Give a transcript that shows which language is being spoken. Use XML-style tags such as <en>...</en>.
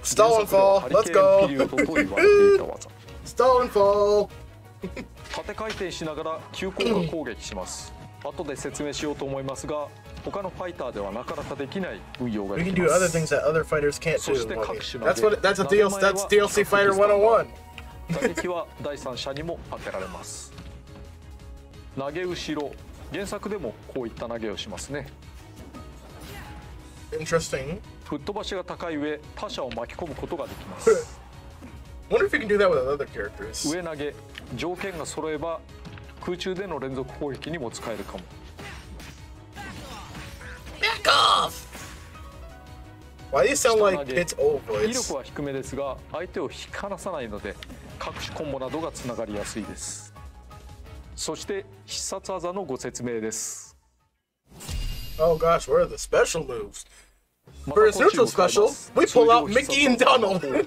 <ja>原作のハリケーンピリオドと言われていた技。</ja> <en>Stall and fall!</en> <ja>縦回転しながら急降下攻撃します。後で説明しようと思いますが、他のファイターではなかなかできない運用ができます。</ja> <en>We can do other things that other fighters can't do.</en> <ja>そして各種まで、</ja> <en>that's a DLC, that's DLC Fighter 101!</en> <ja>打撃は第三者にも当てられます。投げ後ろ、原作でもこういった投げをしますね。</ja> <en>Interesting.</en> <ja>吹っ飛ばしが高い上、他者を巻き込むことができます。</ja> <en>Wonder if you can do that with other characters.</en> <ja>上投げ、条件が揃えば空中での連続攻撃にも使えるかも。</ja> <en>Back off! Why do you sound like it's old voice?</en> <ja>威力は低めですが、相手を引き離さないので各種コンボなどがつながりやすいです。そして必殺技のご説明です。</ja> <en>Oh gosh, what are the special moves? For his neutral special, we pull out Mickey and Donald!</en>